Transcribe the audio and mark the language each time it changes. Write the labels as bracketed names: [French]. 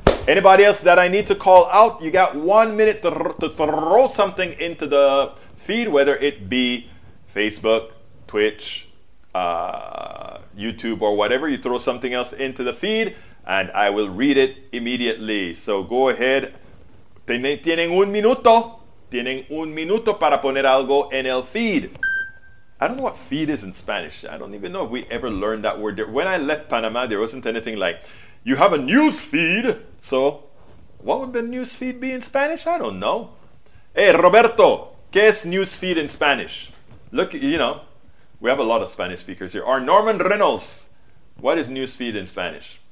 [English] Anybody else that I need to call out? You got 1 minute to throw something into the feed, whether it be Facebook, Twitch, YouTube or whatever. You throw something else into the feed and I will read it immediately. So go ahead. [Spanish] Tienen un minuto. Tienen un minuto para poner algo en el feed. [English] I don't know what feed is in Spanish. I don't even know if we ever learned that word. When I left Panama, there wasn't anything like, you have a news feed. So what would the news feed be in Spanish? I don't know. Hey, Roberto, [Spanish] ¿qué es [English] news feed in Spanish? Look, you know, we have a lot of Spanish speakers here. Our Norman Reynolds, what is newsfeed in Spanish?